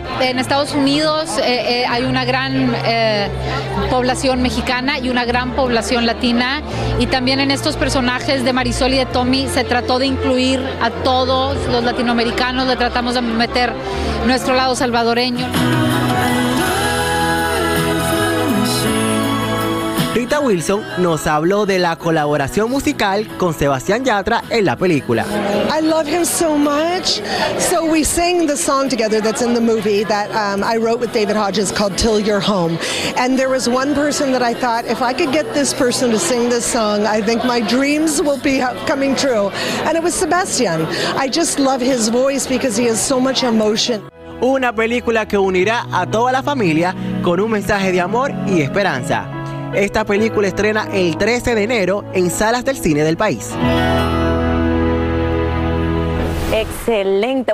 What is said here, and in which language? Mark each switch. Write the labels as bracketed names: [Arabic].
[Spanish] En Estados Unidos hay una gran población mexicana y una gran población latina, y también en estos personajes de Marisol y de Tommy se trató de incluir a todos los latinoamericanos, le tratamos de meter nuestro lado salvadoreño. Rita Wilson nos habló de la colaboración musical con Sebastián Yatra en la película. [English] I love him so much. So we sang the song together that's in the movie that I wrote with David Hodges called Till You're Home. And there was one person that I thought, if I could get this person to sing this song, I think my dreams will be coming true. And it was Sebastián. I just love his voice because he has so much emotion. [Spanish] Una película que unirá a toda la familia con un mensaje de amor y esperanza. Esta película estrena el 13 de enero en salas del cine del país. Excelente.